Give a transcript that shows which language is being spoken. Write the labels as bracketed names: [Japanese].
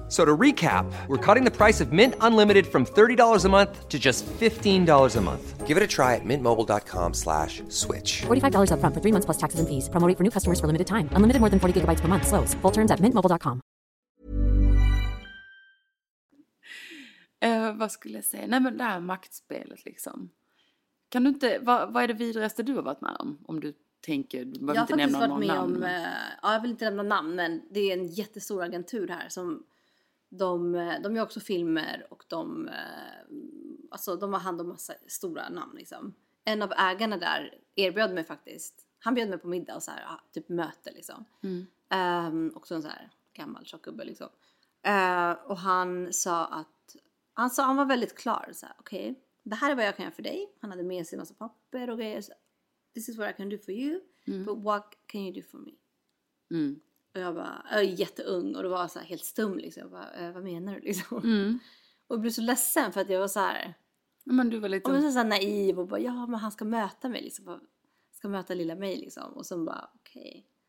[English] So to recap, we're cutting the price of Mint Unlimited from $30 a month to just $15 a month. Give it a try at mintmobile.com/switch. $45 up front for 3 months plus taxes and fees. Promo rate for new customers for limited time. Unlimited more than 40 gigabytes per month. Slows full terms at mintmobile.com. [Swedish] Vad skulle jag säga? Nej, men det här maktspelet liksom. Kan du inte, vad är det vidraste du har varit med om du tänker, du behöver inte nämna någon namn. Jag vill inte nämna namn, men det är en jättestor agentur här som... De gör också filmer och de har hand om massa stora namn liksom. En av ägarna där erbjöd mig faktiskt, han bjöd mig på middag och så här, typ möte liksom. Mm. Också en så här gammal tjockgubbe liksom. Och han sa att han var väldigt klar så här, okej, det här är vad jag kan göra för dig. Han hade med sig en massa papper och grejer. [English] This is what I can do for you. Mm. But what can you do for me? Mm. [Swedish] Och jag bara, jag är jätteung. Och det var så här helt stum liksom. Jag bara, vad menar du liksom? Mm. Och jag blev så ledsen för att jag var så här. Men du var lite... Och jag var så här naiv och bara, ja men han ska möta mig liksom. Ska möta lilla mig liksom. Och sen bara, okej.